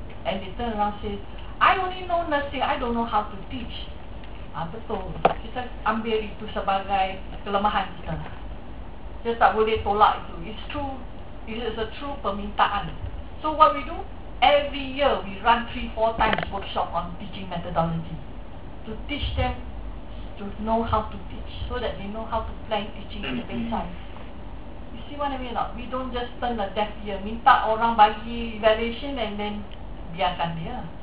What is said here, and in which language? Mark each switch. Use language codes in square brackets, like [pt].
[en] And they turn around say, I only know nursing, I don't know how to teach. [ms] Betul, kita ambil itu sebagai kelemahan kita. Kita tak boleh tolak itu. [en] It's true, it is a true permintaan. So what we do? Every year we run 3-4 times workshop on teaching methodology to teach them to know how to teach so that they know how to plan teaching in the time. You see what I mean? We don't just turn a deaf ear, [ms] minta orang bagi [en] evaluation and then [ms] biarkan dia.